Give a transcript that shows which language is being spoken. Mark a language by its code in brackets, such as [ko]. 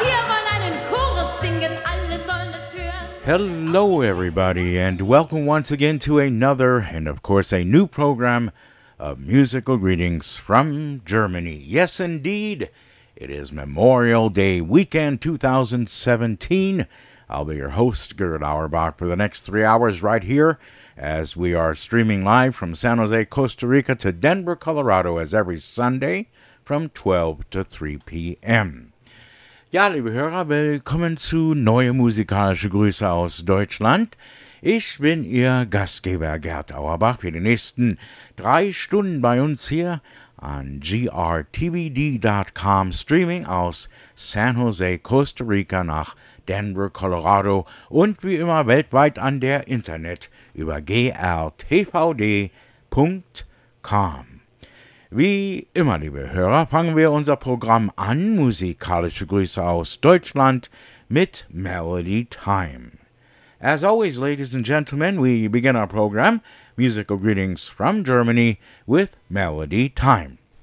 [de] Wir wollen einen Chorus singen, alle sollen es hören. [en] Hello everybody and welcome once again to another and of course a new program of musical greetings from Germany. Yes indeed, it is Memorial Day weekend 2017. I'll be your host, Gerd Auerbach, for the next 3 hours right here as we are streaming live from San Jose, Costa Rica to Denver, Colorado as every Sunday from 12 to 3 p.m. [de] Ja, liebe Hörer, willkommen zu Neue Musikalische Grüße aus Deutschland. Ich bin Ihr Gastgeber Gerd Auerbach für die nächsten 3 Stunden bei uns hier an grtvd.com Streaming aus San Jose, Costa Rica nach Denver, Colorado und wie immer weltweit an der Internet über grtvd.com. Wie immer, liebe Hörer, fangen wir unser Programm an. Musikalische Grüße aus Deutschland mit Melody Time. [en] As always, ladies and gentlemen, we begin our program, Musical Greetings from Germany, with Melody Time.